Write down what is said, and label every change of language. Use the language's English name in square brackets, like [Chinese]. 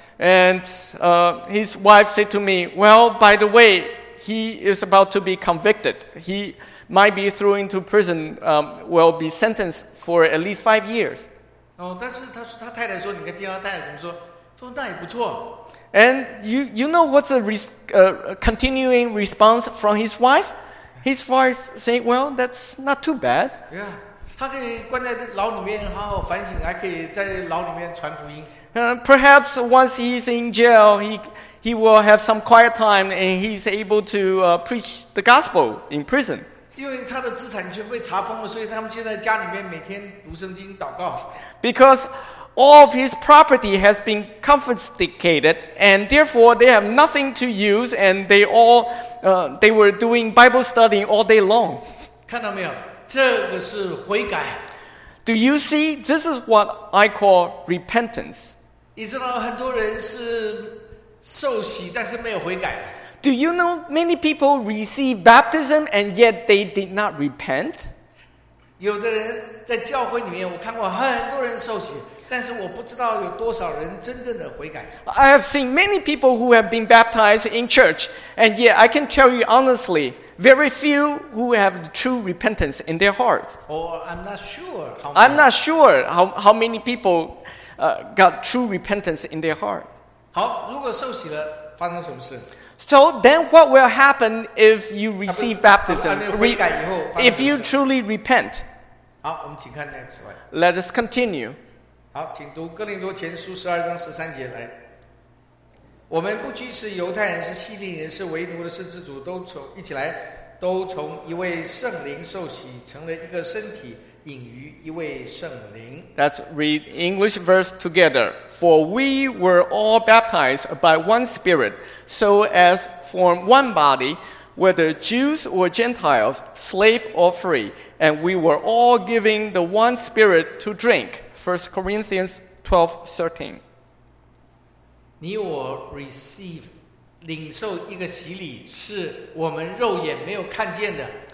[English] And his wife said to me, "Well, by the way, he is about to be convicted. He might be thrown into prison. Will be sentenced for at least 5 years." [Chinese] 哦，但是他太太说，你跟他太太怎么说？说那也不错。 [English] And you know what's the continuing response from his wife? His wife saying, "Well, that's not too bad." Yeah. [Chinese] 他可以关在牢里面好好反省，还可以在牢里面传福音。 [English] Perhaps once he's in jail, he will have some quiet time and he's able to preach the gospel in prison. [Chinese] 因为他的资产全被查封了，所以他们现在家里面每天读圣经祷告。 [English] Because all of his property has been confiscated and therefore they have nothing to use and they all they were doing Bible study all day long. [Chinese] 看到没有？这个是悔改。 [English] Do you see? This is what I call repentance. [Chinese] 你知道很多人是受洗，但是没有悔改。 [English] Do you know many people receive baptism and yet they did not repent? [Chinese] 有的人在教会里面，我看过很多人受洗，但是我不知道有多少人真正的悔改。 [English] I have seen many people who have been baptized in church, and yet I can tell you honestly. Very few who have true repentance in their heart. I'm not sure how many people got true repentance in their heart. [Chinese] 好，如果受洗了，发生什么事？ [English] So then what will happen if you receive baptism? [Chinese] 悔改以后， [English] if you truly repent. [Chinese] 好，我们请看 [English] next slide. Let us continue. [Chinese] 好，请读哥林多前书十二章十三节来。我们不拘是犹太人，是希利人，是为奴的，是自主，都从一位圣灵受洗，成了一个身体，隐于一位圣灵。 [English] Let's read English verse together. For we were all baptized by one spirit, so as form one body, whether Jews or Gentiles, slave or free, and we were all given the one spirit to drink. 1 Corinthians 12:13. [Chinese] 你我 receive 领受一个洗礼，是我们肉眼没有看见的。